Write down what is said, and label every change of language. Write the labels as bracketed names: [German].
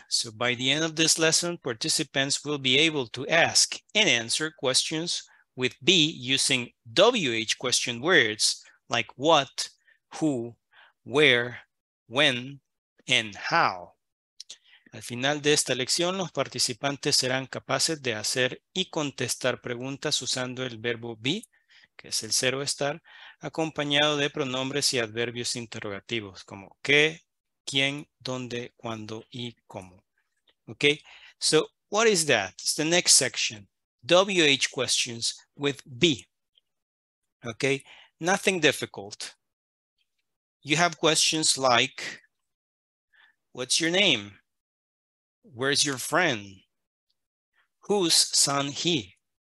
[English] So by the end of this lesson, participants will be able to ask and answer questions with be using WH question words like what, who, where, when, and how. [Spanish] Al final de esta lección, los participantes serán capaces de hacer y contestar preguntas usando el verbo be, que es el ser o estar, acompañado de pronombres y adverbios interrogativos, como qué, quién, dónde, cuándo y cómo. [English] Okay, so what is that? It's the next section, WH questions with be. Okay, nothing difficult. You have questions like, what's your name? Where's your friend? Whose son he?